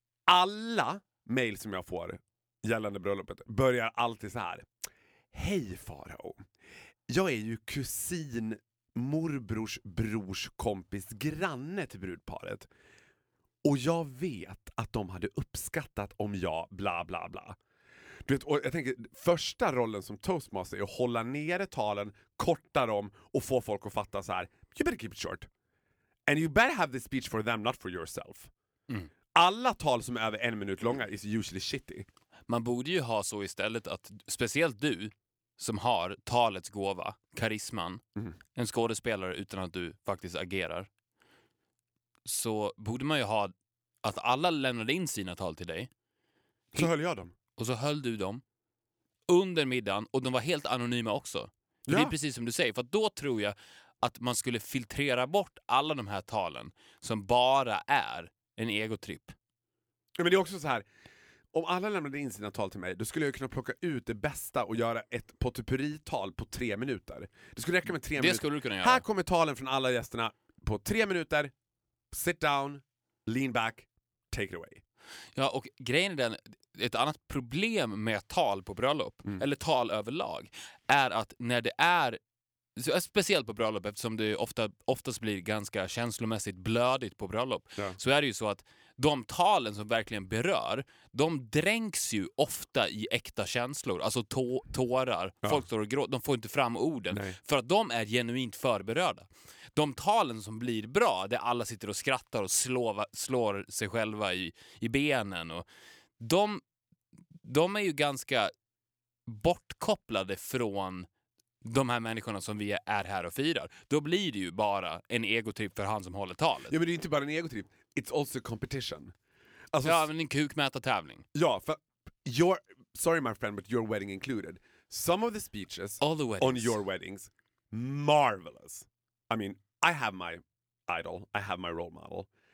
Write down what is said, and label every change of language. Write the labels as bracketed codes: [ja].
[sv] Alla mail som jag får gällande bröllopet börjar alltid så här: hej Farao, jag är ju kusin, morbrors brors kompis, granne till brudparet, och jag vet att de hade uppskattat om jag bla bla bla. Du vet, och jag tänker, första rollen som toastmaster är att hålla nere talen, korta dem och få folk att fatta så här: [en] you better keep it short. And you better have this speech for them, not for yourself. Mm. [sv] Alla tal som är över en minut långa [en] is usually shitty. [sv] Man borde ju ha så istället att, speciellt du som har talets gåva, karisman, en skådespelare utan att du faktiskt agerar, så borde man ju ha att alla lämnade in sina tal till dig. Så höll jag dem. Och så höll du dem under middagen, och de var helt anonyma också. Ja. Det är precis som du säger, för då tror jag att man skulle filtrera bort alla de här talen som bara är en egotripp. Men det är också så här, om alla lämnade in sina tal till mig, då skulle jag kunna plocka ut det bästa och göra ett potpurrital på 3 minuter. Det skulle räcka med 3 minuter. Det skulle du kunna göra. Här kommer talen från alla gästerna på 3 minuter. [en] Sit down, lean back, take it away. [sv] Ja, och grejen är den, ett annat problem med tal på bröllop, eller tal överlag, är att när det är speciellt på bröllop, eftersom det oftast blir ganska känslomässigt blödigt på bröllop, ja, så är det ju så att de talen som verkligen berör, de dränks ju ofta i äkta känslor, alltså tårar, ja, folk står och gråter, de får inte fram orden. Nej. För att de är genuint förberörda. De talen som blir bra, där alla sitter och skrattar och slår sig själva i benen, och de är ju ganska bortkopplade från de här människorna som vi är här och firar. Då blir det ju bara en egotrip för han som håller talet. Ja, men det är inte bara en egotrip. [en] It's also competition. [sv] Alltså, ja, men en kukmätartävling. Ja, för [en] sorry my friend, but your wedding included. Some of the speeches on your weddings, marvelous. I mean, I have my idol, I have my role model.